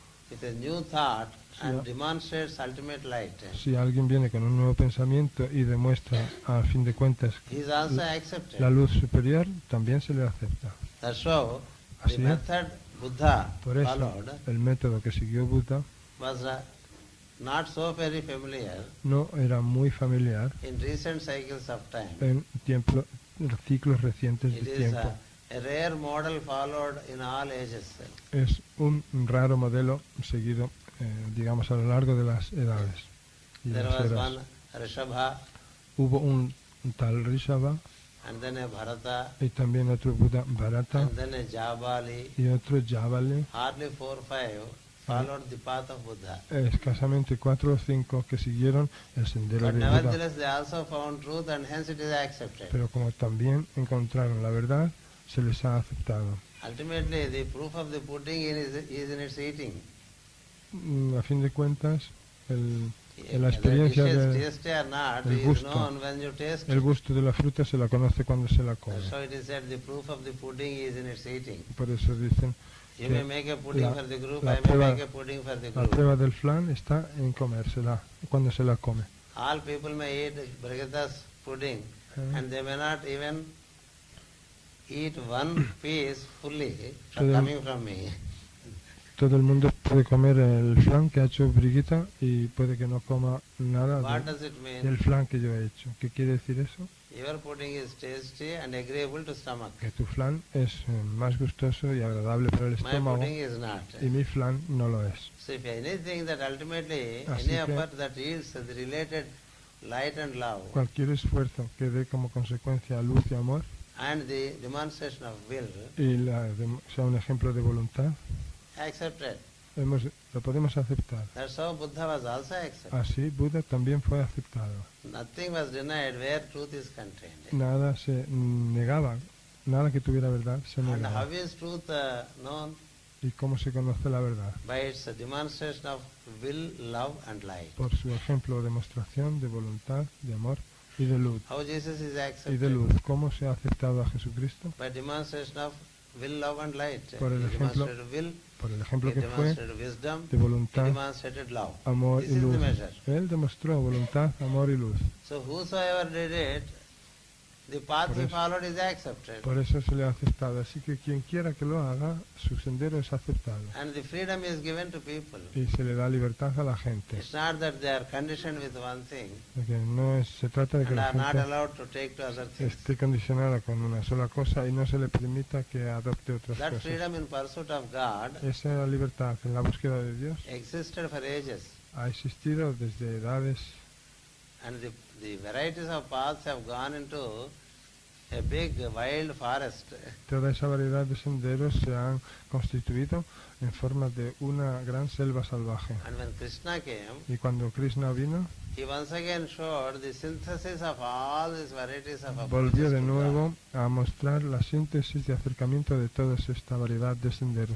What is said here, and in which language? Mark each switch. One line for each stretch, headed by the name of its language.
English: With a new thought and demonstrates ultimate light.
Spanish: Si alguien viene con un nuevo pensamiento y demuestra a fin de cuentas
English: he's also accepted.
Spanish: La luz superior, también se le acepta.
English: That's how
Spanish: así
English: the method Buddha
Spanish: por eso,
English: followed
Spanish: el método que siguió Buddha
English: was not so very familiar.
Spanish: No era muy familiar.
English: In recent cycles of time.
Spanish: En tiempo, ciclos recientes
English: it
Spanish: de tiempo.
English: It is a rare model followed in all ages.
Spanish: Es un raro modelo seguido, digamos, a lo largo de las edades.
English: Yes. There
Spanish: las
English: was
Spanish: eras.
English: One Rishabha.
Spanish: Hubo un tal Rishabha.
English: And then a Bharata.
Spanish: Y también otro Buddha Bharata.
English: And then a Jabali.
Spanish: Y otro Jabali.
English: Hardly four or five. Followed the path of Buddha.
Spanish: Escasamente cuatro o cinco que siguieron el sendero
English: but
Spanish: de Buddha.
English: Nevertheless, they also found truth, and hence it is accepted.
Spanish: Pero como también encontraron la verdad, se les ha aceptado.
English: Ultimately, the proof of the pudding is in its eating.
Spanish: A fin de cuentas, la experiencia del gusto, el gusto de la fruta se la conoce cuando se la come.
English: So it is said, the proof of the pudding is in its eating.
Spanish: Por eso dicen.
English: You may make a pudding for the group, I may make a pudding for the group.
Spanish: La prueba del flan está en comérsela, cuando se la come.
English: All people may eat Bhagata's pudding, and they may not even eat one piece fully coming from me.
Spanish: todo el mundo puede comer el flan que ha hecho Brigitta y puede que no coma nada del flan que yo he hecho. ¿Qué quiere decir eso?
English: Your pudding is tasty and agreeable to stomach.
Spanish: Que tu flan es más gustoso y agradable para el estómago.
English: My pudding is not.
Spanish: Y mi flan no lo es.
English: So if anything that ultimately,
Spanish: así
English: any effort that yields is related light and love.
Spanish: Cualquier esfuerzo que dé como consecuencia luz y amor.
English: And the demonstration of will.
Spanish: Y la sea un ejemplo de voluntad.
English: Accepted.
Spanish: Lo podemos aceptar.
English: That's how Buddha was also accepted.
Spanish: Así Buda también fue aceptado.
English: Nothing was denied where truth is contained.
Spanish: Nada se negaba, nada que tuviera verdad se negaba.
English: And how is truth known?
Spanish: ¿Y cómo se conoce la verdad?
English: By its demonstration of will, love and light.
Spanish: Por su ejemplo o demostración de voluntad, de amor y de luz.
English: How Jesus is accepted.
Spanish: Y de luz. ¿Cómo se ha aceptado a Jesucristo?
English: By demonstration of will, love and light.
Spanish: Por el ejemplo,
English: will,
Spanish: por el ejemplo que fue
English: wisdom,
Spanish: de voluntad,
English: love.
Spanish: Amor
English: this
Spanish: y luz.
English: Is the measure.
Spanish: Él demostró voluntad, amor y luz.
English: So whosoever did it, the path he followed is accepted.
Spanish: Por eso se le ha aceptado. Así que quien quiera que lo haga, su sendero es aceptado.
English: And the freedom is given to people.
Spanish: Y se le da libertad a la gente.
English: It's not that they are conditioned with one thing.
Spanish: Porque no es, se trata de que
English: and
Spanish: la
English: are
Spanish: gente
English: not allowed to take to other things.
Spanish: Esté condicionada con una sola cosa y no se le permita que adopte otras
English: that
Spanish: cosas.
English: Freedom in pursuit of God.
Spanish: Esa libertad en la búsqueda de Dios.
English: Existed for ages.
Spanish: Ha existido desde edades.
English: And the varieties of paths have gone into a big wild forest.
Spanish: Toda esa variedad de senderos se han constituido en forma de una gran selva salvaje.
English: And when Krishna came,
Spanish: y cuando Krishna vino,
English: he once again showed the synthesis of all these varieties of approaches.
Spanish: Volvió de nuevo a mostrar la síntesis de acercamiento de toda esta variedad de senderos.